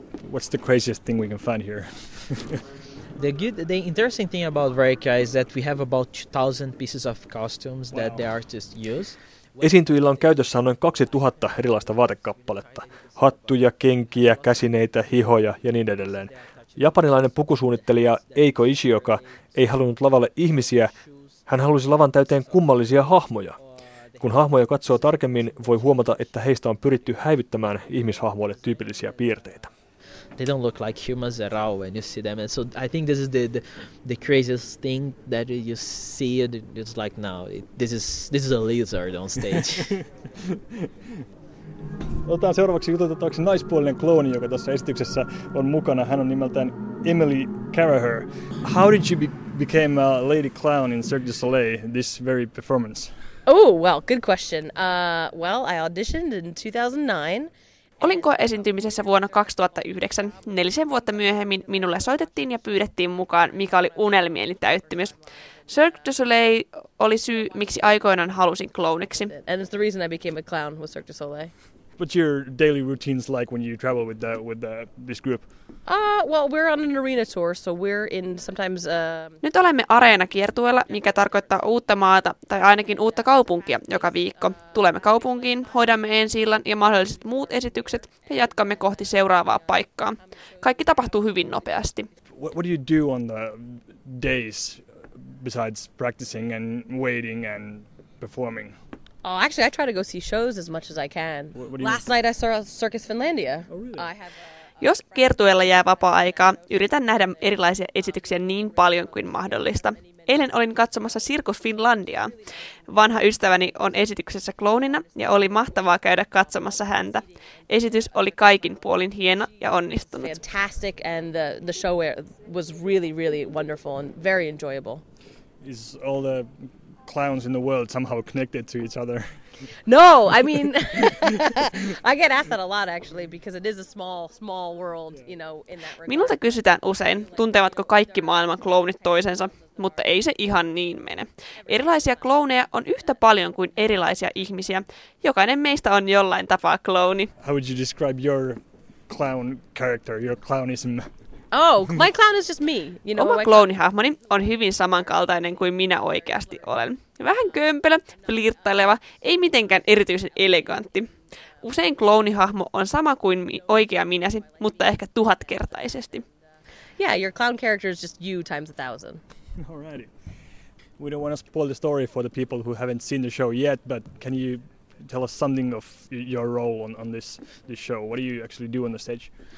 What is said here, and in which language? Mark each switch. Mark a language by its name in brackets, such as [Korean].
[English] What's the craziest thing we can find here? The interesting thing about Varekai is that we have about 2000 pieces of costumes that the artists use. [Finnish] Esiintyjillä on käytössä noin 2000 erilaista vaatekappaletta. Hattuja, kenkiä, käsineitä, hihoja ja niin edelleen. Japanilainen pukusuunnittelija Eiko Ishioka ei halunnut lavalle ihmisiä, hän halusi lavan täyteen kummallisia hahmoja. Kun hahmoja katsoo tarkemmin, voi huomata, että heistä on pyritty häivyttämään ihmishahmoille tyypillisiä piirteitä. [English] They don't look like humans at all when you see them. And so I think this is the craziest thing that you see. It's like now, this is a lizard on stage. [Finnish] Otetaan seuraavaksi jututetaan se naispuolinen klooni, joka tässä esityksessä on mukana. Hän on nimeltään Emily Carraher. [English] How did you become a lady clown in Cirque du Soleil, this very performance? Oh, well, good question. Well, I auditioned in 2009. [Finnish] Olin koe-esiintymisessä vuonna 2009. 4 vuotta myöhemmin minulle soitettiin ja pyydettiin mukaan, mikä oli unelmieni täyttymys. Cirque du Soleil oli syy, miksi aikoinaan halusin klooniksi. [English] And the reason I became a clown was Cirque du Soleil. what's your daily routines like when you travel with the, this group? Well, we're on an arena tour, so we're in sometimes [Finnish] Nyt olemme areenakiertueella, mikä tarkoittaa uutta maata tai ainakin uutta kaupunkia joka viikko. Tulemme kaupunkiin, hoidamme ensi-illan ja mahdolliset muut esitykset ja jatkamme kohti seuraavaa paikkaa. Kaikki tapahtuu hyvin nopeasti. [English] What do you do on the days besides practicing and waiting and performing? Oh, actually, I try to go see shows as much as I can. Last night I saw Circus Finlandia. Oh, really? [Finnish] Jos kiertueella jää vapaa-aikaa, yritän nähdä erilaisia esityksiä niin paljon kuin mahdollista. Eilen olin katsomassa Circus Finlandiaa. Vanha ystäväni on esityksessä klounina ja oli mahtavaa käydä katsomassa häntä. Esitys oli kaikin puolin hieno ja onnistunut. [English] Fantastic and the show was really really wonderful and very enjoyable. Is all the clowns in the world somehow connected to each other? No, I mean I get asked that a lot actually because it is a small world, you know, in that regard. [Finnish] Minulta kysytään usein, tuntevatko kaikki maailman klounit toisensa? Mutta ei se ihan niin mene. Erilaisia klooneja on yhtä paljon kuin erilaisia ihmisiä. Jokainen meistä on jollain tapaa klooni. [English] How would you describe your clown character, your clownism? Oh, my clown is just me. You know, [Finnish] oma kloonihahmoni on hyvin samankaltainen kuin minä oikeasti olen. Vähän kömpelö, flirttaileva, ei mitenkään erityisen elegantti. Usein kloonihahmo on sama kuin oikea minäsi, mutta ehkä tuhatkertaisesti. [English] Yeah, your clown character is just you times a thousand. Alrighty. We don't want to spoil the story for the people who haven't seen the show yet, but can you tell us something of your role on this show? What do you actually do on the stage?